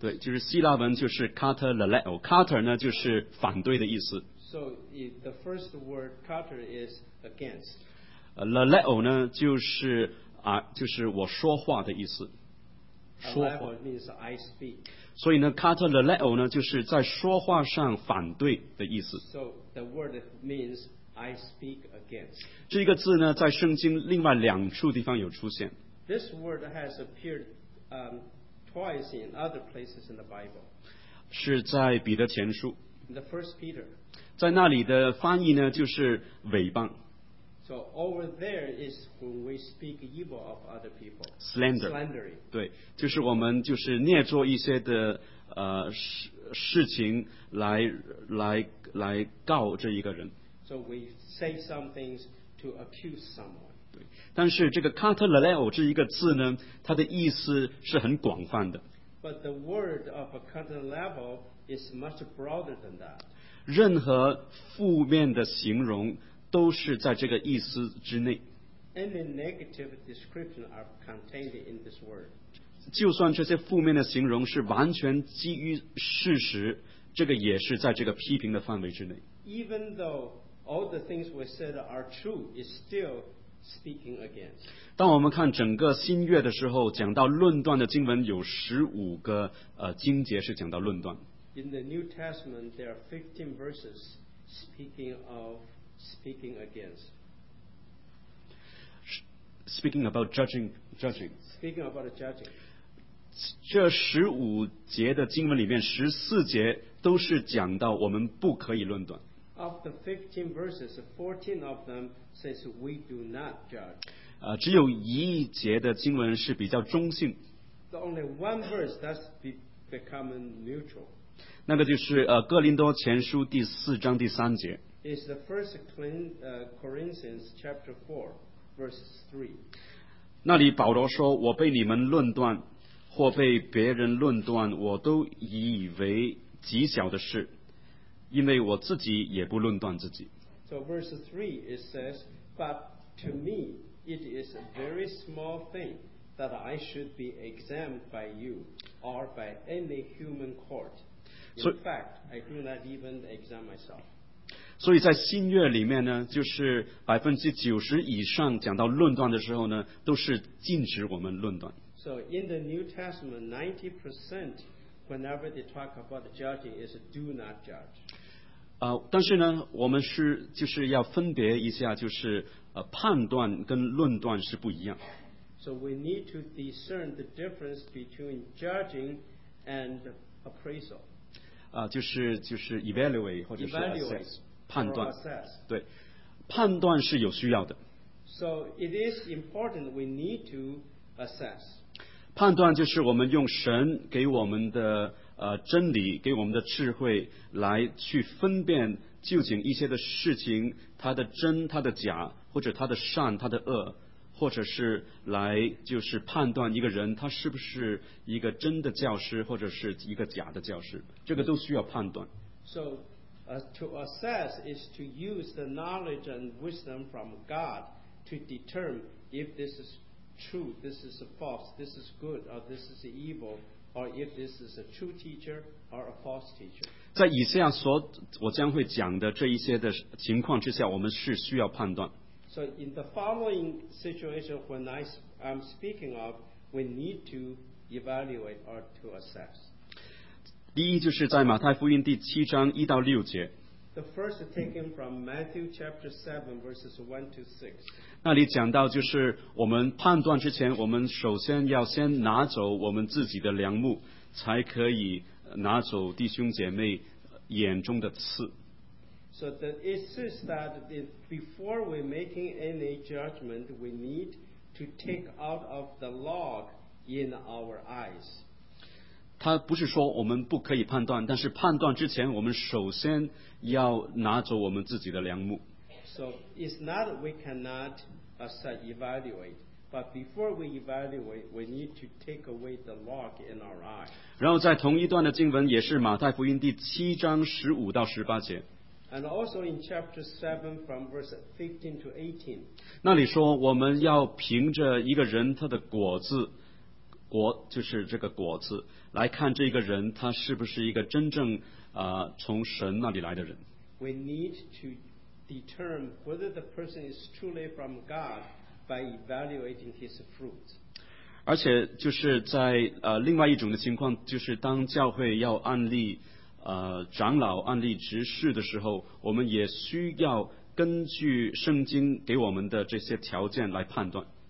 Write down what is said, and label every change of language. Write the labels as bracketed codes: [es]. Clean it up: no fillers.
[zh] 对，就是希腊文就是 kataleleo。Kater 呢就是反对的意思。 [en] So the first word kater is against. [zh] Leleo 呢就是啊，就是我说话的意思。说话 [en] means I speak. [zh] 所以呢 ，kataleleo 呢就是在说话上反对的意思。 [en] So the word means I speak against. [zh] 这个字呢，在圣经另外两处地方有出现。 [en] This word has appeared twice in other places in the Bible. [zh] 是在彼得前书。 [en] In the First Peter. [zh] 在那里的翻译呢，就是诽谤。 [en] So over there is when we speak evil of other people. Slandering. [zh] 对，就是我们就是捏造一些的事情来告这一个人。 [en] So we say some things to accuse someone. [zh] 对，但是这个 kataleleo 这一个字呢，它的意思是很广泛的。 [en] But the word of a kataleleo is much broader than that. [zh] 任何负面的形容都是在这个意思之内。 [en] Any negative description are contained in this word. [zh] 就算这些负面的形容是完全基于事实，这个也是在这个批评的范围之内。 [en] Even though all the things we said are true, it's still speaking against. [zh] 当我们看整个新约的时候，讲到论断的经文有十五个经节是讲到论断。 [en] In the New Testament, there are 15 verses speaking of speaking against. Speaking about judging. Speaking about judging. [zh] 这十五节的经文里面，十四节都是讲到我们不可以论断。 [en] Of the 15 verses, 14 of them says we do not judge. [zh] 只有一节的经文是比较中性。 [en] The only one verse that's becoming neutral. [zh] 那个就是哥林多前书第四章第三节。 [en] Is the first Corinthians chapter 4, verse 3. [zh] 那里保罗说，我被你们论断，或被别人论断，我都以为极小的事，因为我自己也不论断自己。 [en] So verse 3, it says, but to me, it is a very small thing that I should be examined by you or by any human court. In fact, I do not even examine myself. [zh] 所以在新约里面呢，就是90%以上讲到论断的时候呢，都是禁止我们论断。 [en] So in the New Testament, 90% whenever they talk about judging is do not judge. [zh] 但是呢，我们是就是要分别一下，就是判断跟论断是不一样。 [en] So we need to discern the difference between judging and appraisal. [zh] 就是 [en] evaluate [zh] 或者是 [en] assess。 [zh] 判断，对，判断是有需要的。 [en] So it is important we need to assess. [zh] 判断就是我们用神给我们的真理，给我们的智慧来去分辨究竟一些的事情它的真它的假，或者它的善它的恶，或者是来就是判断一个人他是不是一个真的教师或者是一个假的教师，这个都需要判断。 [en] So,to assess is to use the knowledge and wisdom from God to determine if this is true, this is false, this is good, or this is evil, or if this is a true teacher or a false teacher. [zh] 在以下所我将会讲的这一些的情况之下，我们是需要判断。 [en] So in the following situation when I'm speaking of, we need to evaluate or to assess. [zh] 第一就是在马太福音第七章一到六节。 [en] The first taken from Matthew chapter 7 verses 1 to 6. [zh] 那里讲到就是我们判断之前，我们首先要先拿走我们自己的良木，才可以拿走弟兄姐妹眼中的刺。 [en] So that it says that before we're making any judgment, we need to take out of the log in our eyes. [zh] 他不是说我们不可以判断，但是判断之前，我们首先要拿走我们自己的梁木。 [en] So it's not that we cannot evaluate, but before we evaluate, we need to take away the log in our eyes. [zh] 然后在同一段的经文也是马太福音第七章十五到十八节。 [en] And also in chapter 7 from verse 15 to 18. [zh] 那里说我们要凭着一个人他的果子，果就是这个果子，来看这个人他是不是一个真正从神那里来的人。 [en] We need to determine whether the person is truly from God by evaluating his fruit. [zh] 而且就是在另外一种的情况，就是当教会要案例长老案例执事的时候，我们也需要根据圣经给我们的这些条件来判断。